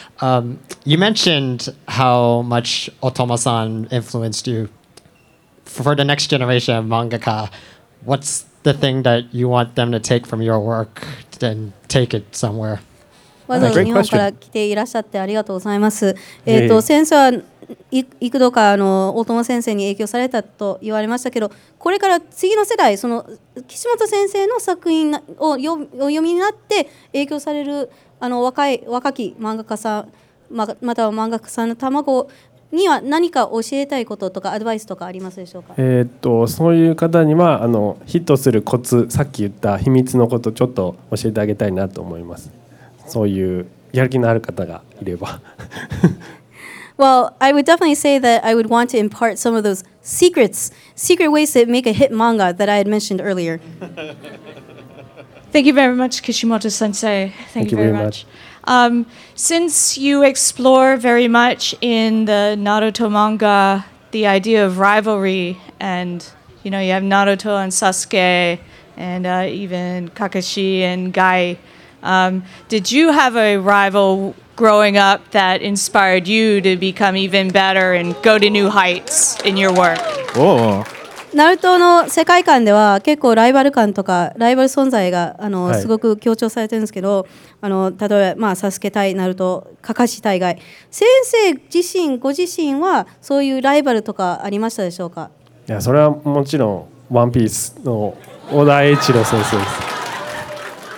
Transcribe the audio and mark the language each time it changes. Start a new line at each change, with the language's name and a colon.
English: You mentioned how much Otomo-san influenced you for the next generation of mangaka. What's the thing that you want them to take from your work and take it somewhere? Great question.
Japanese: いくどかあの大友先生に影響されたと言われましたけど、これから次の世代、その岸本先生の作品を読みになって影響されるあの 若き漫画家さん、または漫画家さんの卵には何か教えたいこととかアドバイスとかありますでしょうか。そういう方にはあのヒットするコツ、さっき言った秘密のことちょっと教えてあげたいなと思います。そういうやる気のある方がいれば。
English: Well, I would definitely say that I would want to impart some of those secret ways to make a hit manga that I had mentioned earlier. Thank you very much, Kishimoto-sensei. Thank you very much. Since you explore very much in the Naruto manga the idea of rivalry, and you know, you have Naruto and Sasuke, and even Kakashi and Gai, did you have a rival growing up that inspired you to become even better and go to new heights in your work?
Japanese: Naruto の世界観では結構ライバル感とかライバル存在があの、はい、すごく強調されてるんですけど、あの例えば、まあ、サスケ対ナルト、カカシ対ガイ、先生自身ご自身はそういうライバルとかありましたでしょうか。いや、それはもちろんワンピースの小田栄一郎先生です。